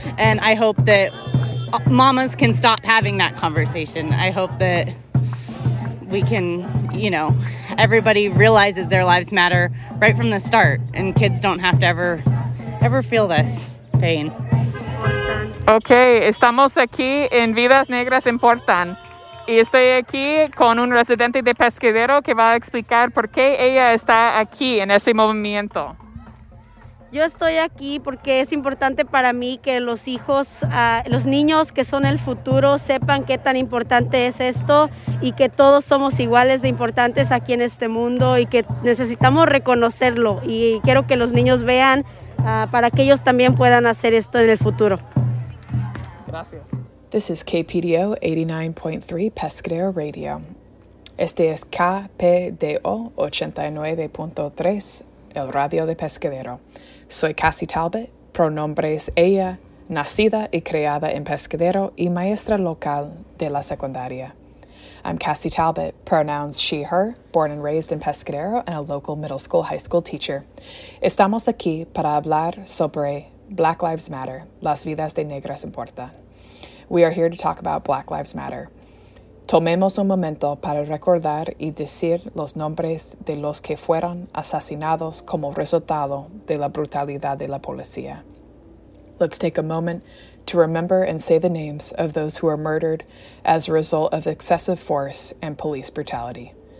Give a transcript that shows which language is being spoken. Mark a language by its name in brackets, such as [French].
[English] And I hope that mamas can stop having that conversation. I hope that we can, you know, everybody realizes their lives matter right from the start, and kids don't have to ever feel this pain. [Spanish] Okay, estamos aquí en Vidas Negras Importan. Y estoy aquí con un residente de Pescadero que va a explicar por qué ella está aquí en ese movimiento. Yo estoy aquí porque es importante para mí que los hijos, los niños que son el futuro, sepan qué tan importante es esto y que todos somos iguales de importantes aquí en este mundo y que necesitamos reconocerlo. Y quiero que los niños vean para que ellos también puedan hacer esto en el futuro. Gracias. [English] This is KPDO 89.3 Pescadero Radio. [Spanish] Este es KPDO 89.3 El Radio de Pescadero. Soy Cassie Talbot, pronombres ella, nacida y criada en Pescadero y maestra local de la secundaria. [English] I'm Cassie Talbot, pronouns she, her, born and raised in Pescadero and a local middle school, high school teacher. [Spanish] Estamos aquí para hablar sobre Black Lives Matter, las vidas de negras importan. [English] We are here to talk about Black Lives Matter. [Spanish] Tomemos un momento para recordar y decir los nombres de los que fueron asesinados como resultado de la brutalidad de la policía. [English] Let's take a moment to remember and say the names of those who were murdered as a result of excessive force and police brutality.